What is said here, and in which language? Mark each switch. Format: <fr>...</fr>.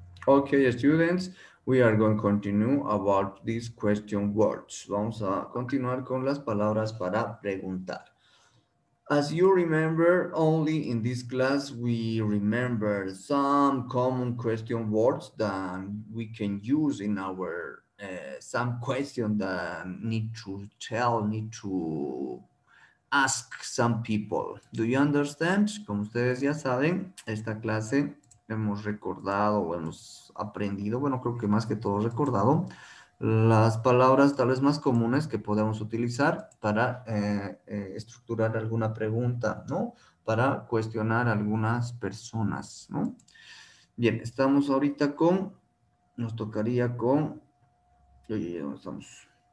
<en>Okay, students, we are going to continue about these question words.</en> <es>Vamos a continuar con las palabras para preguntar.</es> <en>As you remember, only in this class we remember some common question words that we can use in our some question that need to ask some people. Do you understand?</en> <es>Como ustedes ya saben, esta clase hemos recordado o hemos aprendido, bueno, creo que más que todo recordado, las palabras tal vez más comunes que podemos utilizar para estructurar alguna pregunta, ¿no? Para cuestionar a algunas personas, ¿no? Bien, estamos ahorita con, nos tocaría con, oye, ¿dónde estamos?</es>